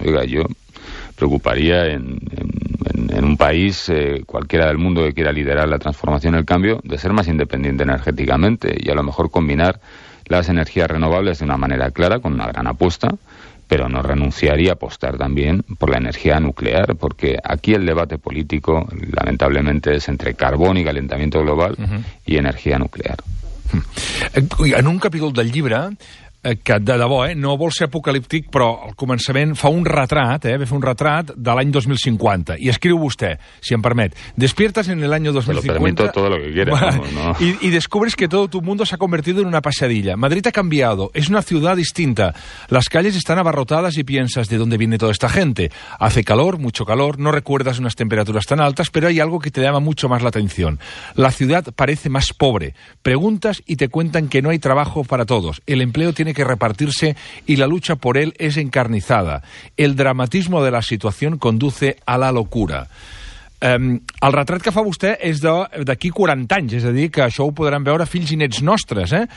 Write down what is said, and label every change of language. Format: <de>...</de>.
<es>Oiga, yo preocuparía en un país, cualquiera del mundo que quiera liderar la transformación y el cambio, de ser más independiente energéticamente y a lo mejor combinar las energías renovables de una manera clara, con una gran apuesta, pero no renunciaría a apostar también por la energía nuclear, porque aquí el debate político, lamentablemente, es entre carbón y calentamiento global y energía nuclear.</es> <ca>En un capítol del llibre, que de debò, no vol ser apocalíptic, però al començament fa un retrat, ve fer un retrat de l'any 2050, i escriu vostè, si em permet,</ca> <es>despiertas en el año 2050 te lo permito todo lo que quieras, y descubres que todo tu mundo se ha convertido en una pesadilla. Madrid ha cambiado, es una ciudad distinta, las calles están abarrotadas y piensas, ¿de dónde viene toda esta gente? Hace calor, mucho calor, no recuerdas unas temperaturas tan altas, pero hay algo que te llama mucho más la atención: la ciudad parece más pobre. Preguntas y te cuentan que no hay trabajo para todos, el empleo tiene que repartirse y la lucha por él es encarnizada. El dramatismo de la situación conduce a la locura.</es> <ca>El retrat que fa vostè és d'aquí 40 anys, és a dir, que això ho podran veure fills i nets nostres.</ca>